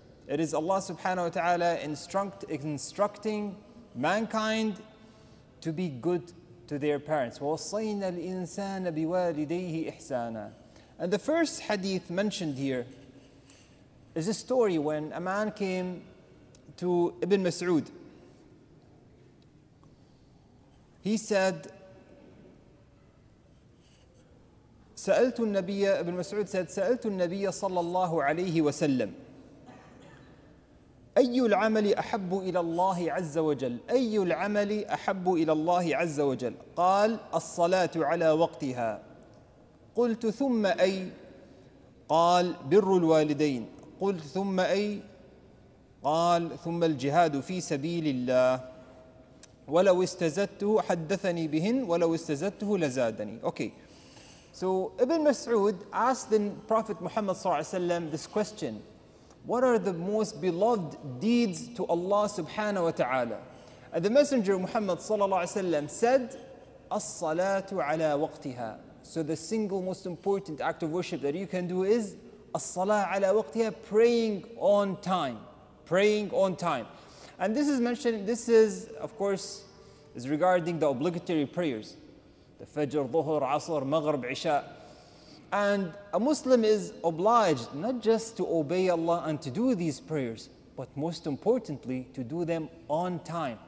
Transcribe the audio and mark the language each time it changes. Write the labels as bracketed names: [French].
[English] It is Allah subhanahu wa ta'ala instructing mankind to be good to their parents. [Arabic] Wa Wassayna Al-Insana Biwalidayhi Ihsana. [English] And the first hadith mentioned here is a story when a man came to Ibn Mas'ud. He said, [Arabic] سَأَلْتُ النَّبِيَّ [English] Ibn Mas'ud said, [Arabic] سَأَلْتُ النَّبِيَّ صَلَّى اللَّهُ عَلَيْهِ وَسَلَّمْ أَيُّ الْعَمَلِ أَحَبُّ إِلَى اللَّهِ عَزَّ وَجَلْ أَيُّ الْعَمَلِ أَحَبُّ إِلَى اللَّهِ عَزَّ وَجَلْ قال, الصلاة على وقتها قلت ثم أي قال بر الوالدين قلت ثم أي قال ثم الجهاد في سبيل الله ولو استزدته حدثني بهن ولو استزدته لزادني. [English] Okay, so Ibn Mas'ud asked the Prophet Muhammad [Arabic] صلى الله عليه وسلم [English] this question: what are the most beloved deeds to Allah subhanahu wa ta'ala? And the Messenger Muhammad صلى الله عليه وسلم said, [Arabic] الصلاة على وقتها. [English] So the single most important act of worship that you can do is [Arabic] as-salah ala waqtiha, [English] praying on time. Praying on time. And this is mentioned, this is, of course, is regarding the obligatory prayers. The fajr, dhuhr, asr, maghrib, isha. And a Muslim is obliged not just to obey Allah and to do these prayers, but most importantly, to do them on time.